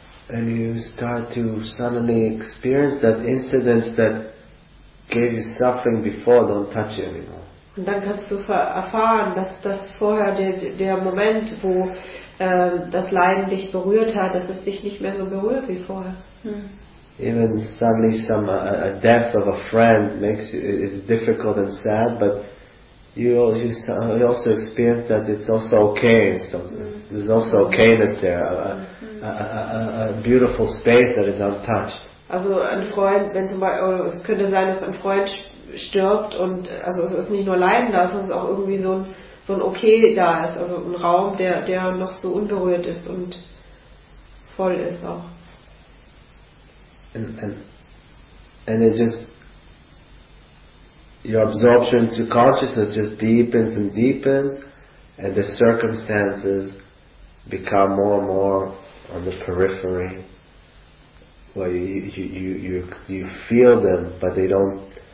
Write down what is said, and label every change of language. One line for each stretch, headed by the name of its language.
English: And you start to suddenly experience that incidents that gave you suffering before don't touch you anymore.
German: Und dann kannst du erfahren, dass das vorher der Moment, wo das Leiden dich berührt hat, dass es dich nicht mehr so berührt wie vorher.
English: Even suddenly a death of a friend makes it difficult and sad, but you also experience that it's also okay. So there's also okayness there, a beautiful space that is untouched.
German: Also ein Freund, wenn zum Beispiel, es könnte sein, dass ein Freund stirbt und also es ist nicht nur Leiden da, sondern es ist auch irgendwie so ein okay da ist, also ein Raum, der noch so unberührt ist und voll ist auch.
English: And it just, your absorption to consciousness just deepens and deepens, and the circumstances become more and more on the periphery, where you feel them, but they don't.